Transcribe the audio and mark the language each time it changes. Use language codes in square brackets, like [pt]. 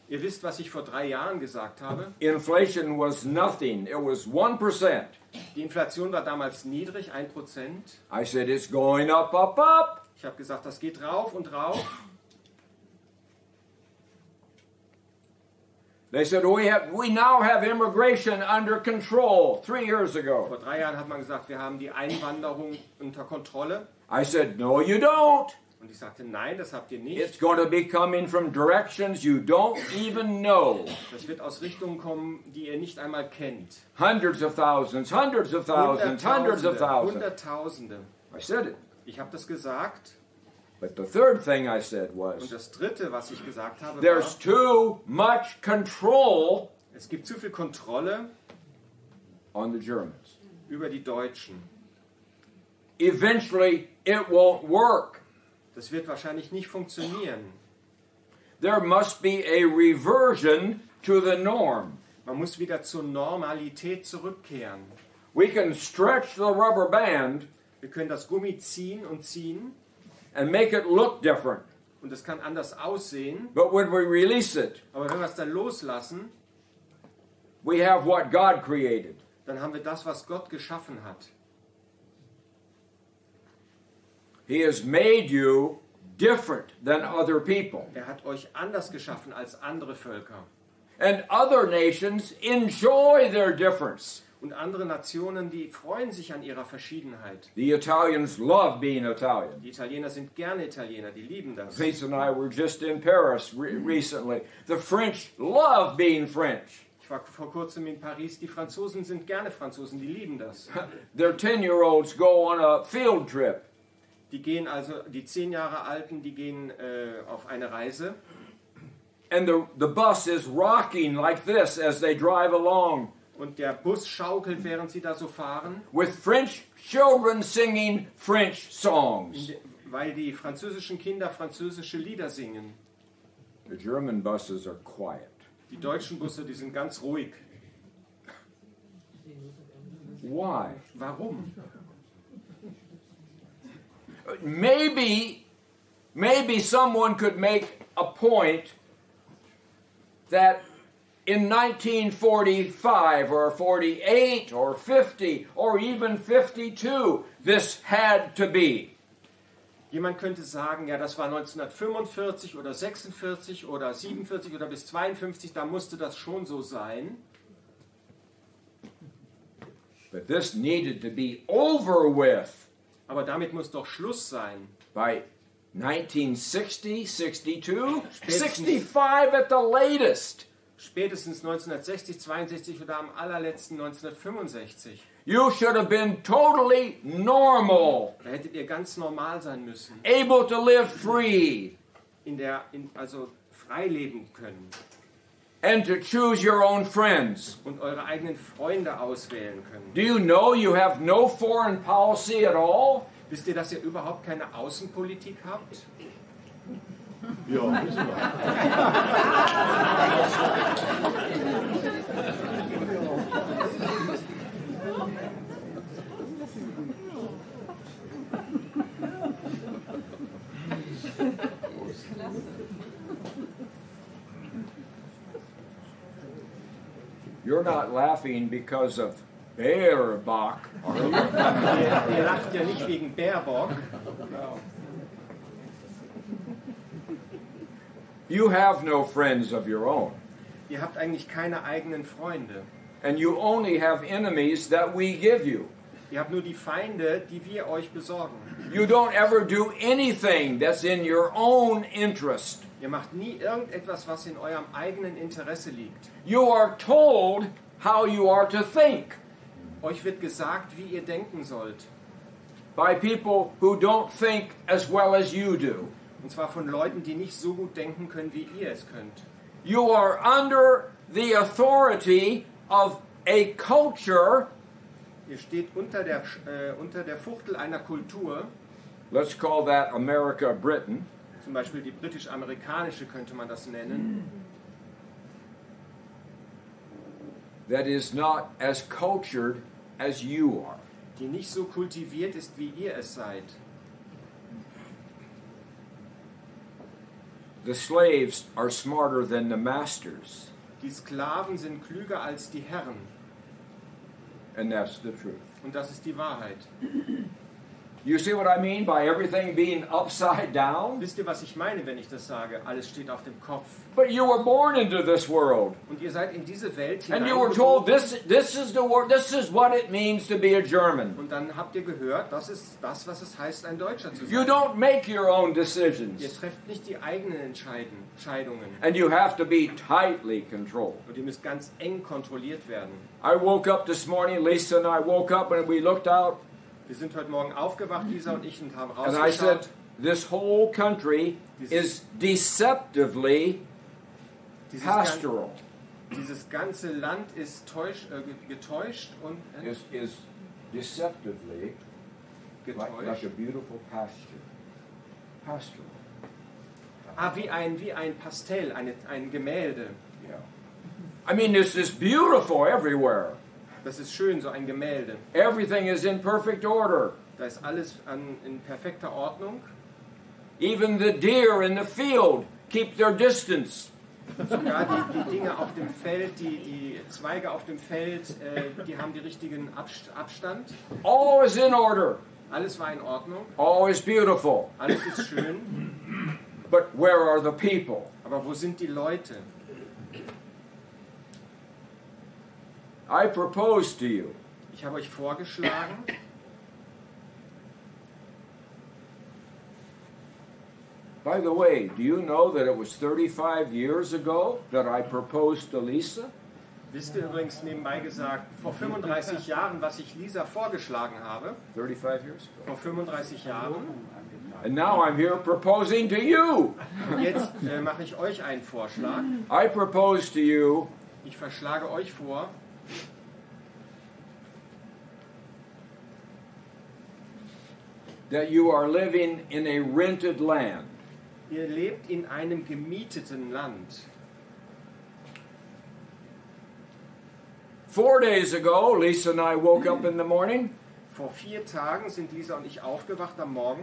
[de] Ihr wisst, was ich vor 3 Jahren gesagt habe. [en] Inflation was nothing. It was 1%. [de] Die Inflation war damals niedrig, 1%. [en] I said it's going up, up, up. [de] Ich habe gesagt, das geht rauf und rauf. [en] They said we now have immigration under control 3 years ago. [de] Vor 3 Jahren hat man gesagt, wir haben die Einwanderung unter Kontrolle. [en] I said no you don't. [de] Und ich sagte nein, das habt ihr nicht. [en] It's going to be coming from directions you don't even know. [de] Das wird aus Richtungen kommen, die ihr nicht einmal kennt. [en] Hundreds of thousands, hundreds of thousands, hundreds of thousands. [de] Hunderttausende. [en] I said it. [de] Ich habe das gesagt. [en] But the third thing I said was, [de] und das dritte, was ich gesagt habe, [en] there's [de] war, [en] too much control. [de] Es gibt zu viel Kontrolle [en] on the Germans. [de] Über die Deutschen. [en] Eventually it won't work. [de] Das wird wahrscheinlich nicht funktionieren. [en] There must be a reversion to the norm. [de] Man muss wieder zur Normalität zurückkehren. [en] We can stretch the rubber band. [de] Wir können das Gummi ziehen und ziehen. [en] And make it look different. [de] Und es kann anders aussehen. [en] But when we release it, [de] aber wenn wir es dann loslassen, [en] we have what God created. [de] Dann haben wir das, was Gott geschaffen hat. [en] He has made you different than other people. [de] Er hat euch anders geschaffen als andere Völker. [en] And other nations enjoy their difference. [de] Und andere Nationen, die freuen sich an ihrer Verschiedenheit. [en] The Italians love being Italian. [de] Die Italiener sind gerne Italiener, die lieben das. [en] Lisa and I were just in Paris recently. The French love being French. [de] Ich war vor kurzem in Paris. Die Franzosen sind gerne Franzosen, die lieben das. [en] Their 10-year-olds go on a field trip. [de] Die gehen also, die 10 Jahre Alten, die gehen auf eine Reise. [en] And the bus is rocking like this as they drive along. [de] Und der Bus schaukelt, während sie da so fahren. [en] With French children singing French songs. [de] Weil die französischen Kinder französische Lieder singen. [en] The German buses are quiet. [de] Die deutschen Busse, die sind ganz ruhig. [en] Why? [de] Warum? [en] Maybe someone could make a point that in 1945 or 48 or 50 or even 52 this had to be. [de] Jemand könnte sagen, ja, das war 1945 oder 46 oder 47 oder bis 52, da musste das schon so sein. [en] But this needed to be over with. [de] Aber damit muss doch Schluss sein. [en] By 1960, 62, 65 at the latest. [de] Spätestens 1960, 62 oder am allerletzten 1965. [en] You should have been totally normal. [de] Da hättet ihr ganz normal sein müssen. [en] Able to live free. [de] Also frei leben können. [en] And to choose your own friends. [de] Und eure eigenen Freunde auswählen können. [en] Do you know you have no foreign policy at all? [de] Wisst ihr, dass ihr überhaupt keine Außenpolitik habt? Ja, wissen wir. [en] You're not laughing because of Baerbock. [de] Ihr lacht ja nicht wegen Baerbock. [en] You have no friends of your own. [de] Ihr habt eigentlich keine eigenen Freunde. [en] And you only have enemies that we give you. [de] Ihr habt nur die Feinde, die wir euch besorgen. [en] You don't ever do anything that's in your own interest. [de] Ihr macht nie irgendetwas, was in eurem eigenen Interesse liegt. [en] You are told how you are to think. [de] Euch wird gesagt, wie ihr denken sollt. [en] By people who don't think as well as you do. [de] Und zwar von Leuten, die nicht so gut denken können, wie ihr es könnt. [en] You are under the authority of a culture. [de] Ihr steht unter der Fuchtel einer Kultur. [en] Let's call that America, Britain. [de] Zum Beispiel die britisch-amerikanische könnte man das nennen. [en] That is not as cultured as you are. [de] Die nicht so kultiviert ist, wie ihr es seid. [en] The slaves are smarter than the masters. [de] Die Sklaven sind klüger als die Herren. [en] And that's the truth. [de] Und das ist die Wahrheit. [en] You see what I mean by everything being upside down? [de] Wisst ihr, was ich meine, wenn ich das sage? Alles steht auf dem Kopf. [en] But you were born into this world. [de] Und ihr seid in diese Welt hineingeboren. [en] And you were told this is what it means to be a German. [de] Und dann habt ihr gehört, das ist das, was es heißt, ein Deutscher zu sein. [en] You don't make your own decisions. [de] Ihr trefft nicht die eigenen Entscheidungen. [en] And you have to be tightly controlled. [de] Und ihr müsst ganz eng kontrolliert werden. [en] I woke up this morning, Lisa and I woke up and we looked out. [de] Wir sind heute Morgen aufgewacht, Lisa und ich, und haben rausgeschaut. [en] And I said, this whole country is deceptively pastoral. [de] Dieses ganze Land ist getäuscht und [en] is deceptively [de] getäuscht. [en] Like a beautiful pastoral. [de] Ah, wie ein Pastell, ein Gemälde. [en] Yeah. I mean, this is beautiful everywhere. [de] Das ist schön, so ein Gemälde. [en] Everything is in perfect order. [de] Da ist alles in perfekter Ordnung. [en] Even the deer in the field keep their distance. [de] Sogar die Dinge auf dem Feld, die Zweige auf dem Feld, die haben die richtigen Abstand. [en] All is in order. [de] Alles war in Ordnung. [en] All is beautiful. [de] Alles ist schön. [en] But where are the people? [de] Aber wo sind die Leute? [en] I propose to you. [de] Ich habe euch vorgeschlagen. [en] By the way, do you know that it was 35 years ago that I proposed to Lisa? [de] Wisst ihr übrigens nebenbei gesagt, vor 35 Jahren, was ich Lisa vorgeschlagen habe? [en] 35 years ago. [de] Vor 35 Jahren. [en] And now I'm here proposing to you. [de] Jetzt mache ich euch einen Vorschlag. [en] I propose to you. [de] Ich verschlage euch vor. [en] That you are living in a rented land. [de] Ihr lebt in einem gemieteten Land. [en] 4 days ago, Lisa and I woke up in the morning. [de] Vor 4 Tagen sind Lisa und ich aufgewacht am Morgen.